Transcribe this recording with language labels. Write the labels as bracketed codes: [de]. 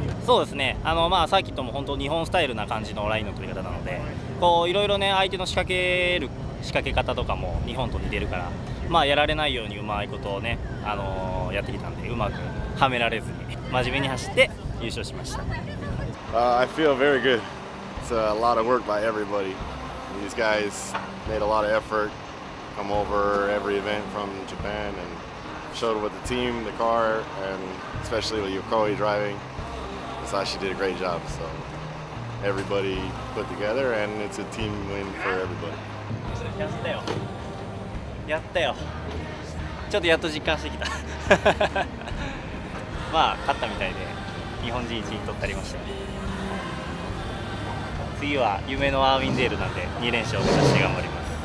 [ja] そうですね、まあ、サーキットも本当に日本スタイルな感じのラインの取り方なので、こういろいろね、相手の仕掛け方とかも日本と似てるから、まあ、やられないようにうまいことをね、やってきたんで、うまくはめられずに真面目に走って優勝しました。 [en] I feel very good. It's a lot of work by everybody. These guysmade a lot of effort, come over every event from Japan and showed with the team, the car, and especially with Yokoi driving. Asashi did a great job, so everybody put together and it's a team win for everybody. [ja] やったよ。やったよ。ちょっとやっと実感してきた。まあ、勝ったみたいで日本人1位取ったりました。次は夢のアーウィンデールなんで2連勝を目指して頑張ります。